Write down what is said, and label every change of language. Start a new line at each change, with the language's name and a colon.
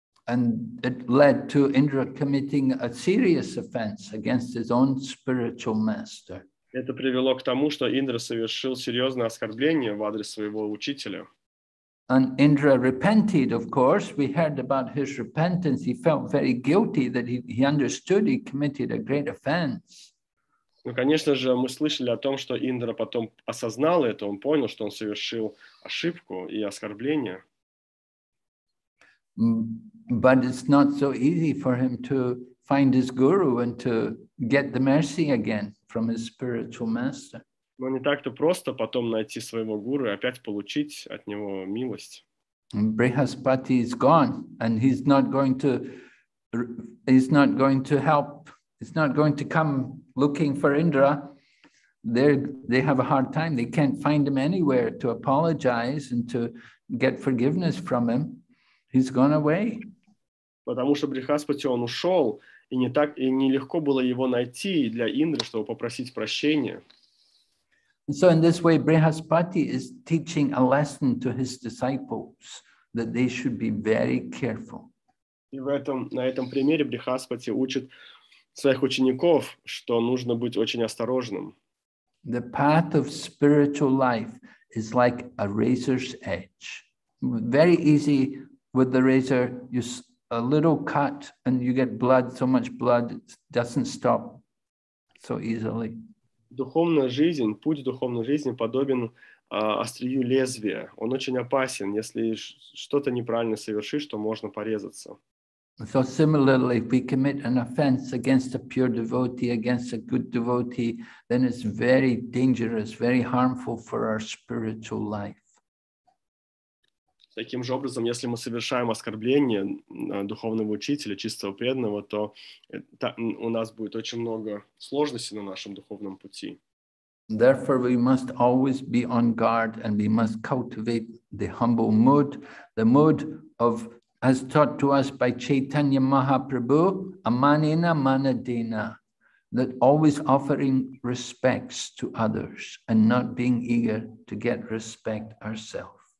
English: And it led to Indra committing a serious offense against his own spiritual master.
Russian: Это привело к тому, что Индра совершил серьезное оскорбление в адрес своего учителя.
English: And Indra repented, of course. We heard about his repentance. He felt very guilty that he understood he committed a great offense.
Russian: Ну, конечно же, мы слышали о том, что Индра потом осознал это, он понял, что он совершил ошибку и оскорбление.
English: But it's not so easy for him to find his guru and to get the mercy again from his spiritual master.
Russian: Но не так-то просто потом найти своего гуру и опять получить от него милость.
English: Брихаспати is gone, and he's not going to help. He's not going to come looking for Indra. They have a hard time. They can't find him anywhere to apologize and to get forgiveness from him. He's gone away.
Russian: Потому что Брихаспати он ушел, и не так и нелегко было его найти для Индры, чтобы попросить прощения.
English: So in this way, Brihaspati is teaching a lesson to his disciples that they should be very careful.
Russian: И на этом примере Брихаспати учит своих учеников, что нужно быть очень осторожным.
English: The path of spiritual life is like a razor's edge. Very easy with the razor, you a little cut and you get blood, so much blood, it doesn't stop so easily.
Russian: Духовная жизнь, путь духовной жизни подобен острию лезвия. Он очень опасен. Если что-то неправильно совершишь, то можно порезаться.
English: So similarly, if we commit an offense against a pure devotee, against a good devotee, then it's very dangerous, very harmful for our spiritual life.
Russian: Таким же образом, если мы совершаем оскорбление духовного учителя, чистого преданного, то это, у нас будет очень много сложностей на нашем духовном пути.
English: Therefore, we must always be on guard and we must cultivate the humble mood, the mood of, as taught to us by Chaitanya Mahaprabhu,
Sanskrit: amanena manadena,
English: that always offering respects to others and not being eager to get respect ourselves.